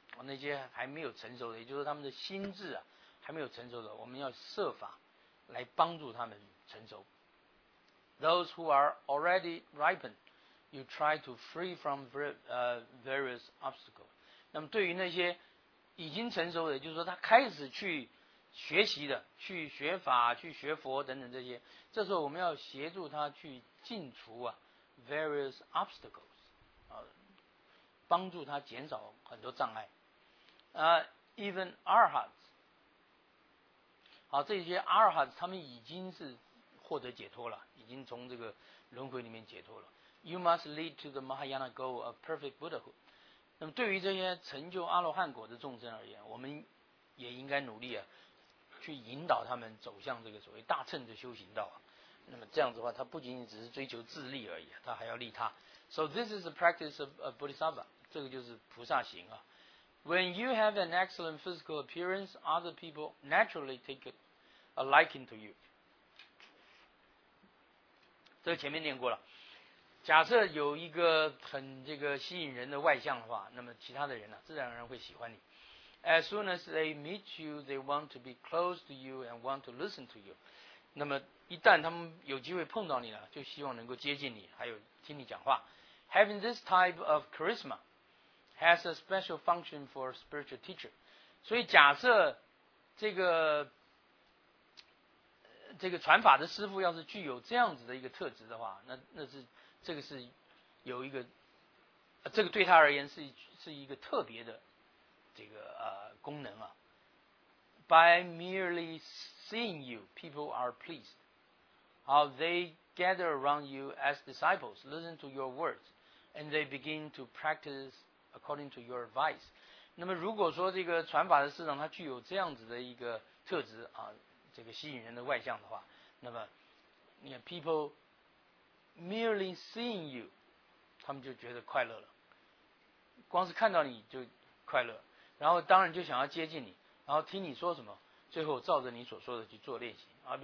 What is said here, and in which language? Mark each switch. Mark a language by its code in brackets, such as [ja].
[zh] 那些还没有成熟的，也就是他们的心智啊，还没有成熟的，我们要设法来帮助他们成熟。 [en] Those who are already ripened, you try to free from various obstacles. [zh] 那么对于那些已经成熟的，就是说他开始去学习的，去学法，去学佛等等这些，这时候我们要协助他去净除啊 [en] various obstacles, [zh] 啊，帮助他减少很多障碍。 [en] Even arhats, [zh] 好，这些 arhats 他们已经是获得解脱了，已经从这个轮回里面解脱了。 [en] You must lead to the Mahayana goal of perfect Buddhahood. [zh] 那么对于这些成就阿罗汉果的众生而言，我们也应该努力啊，去引导他们走向这个所谓大乘的修行道。那么这样子的话，他不仅仅只是追求自利而已，他还要利他。 [en] So this is the practice of a Bodhisattva. [zh] 这个就是菩萨行啊。 [en] When you have an excellent physical appearance, other people naturally take a liking to you. [zh] 这前面念过了。假设有一个很这个吸引人的外向的话，那么其他的人呢，自然而然会喜欢你。 [en] As soon as they meet you, they want to be close to you and want to listen to you. [zh] 那么一旦他们有机会碰到你了，就希望能够接近你，还有听你讲话。 [en] Having this type of charisma has a special function for a spiritual teacher. [zh] 所以假设这个传法的师父要是具有这样子的一个特质的话，那是这个是有一个、这个对他而言是一个特别的这个功能啊。 [en] By merely seeing you, people are pleased. How they gather around you as disciples, listen to your words, and they begin to practice according to your advice. [zh] 那么如果说这个传法的师长他具有这样子的一个特质啊，这个吸引人的外向的话，那么你看 [en] people merely seeing you, [zh] 他们就觉得快乐了，光是看到你就快乐，然后当然就想要接近你，然后听你说什么，最后照着你所说的去做练习啊。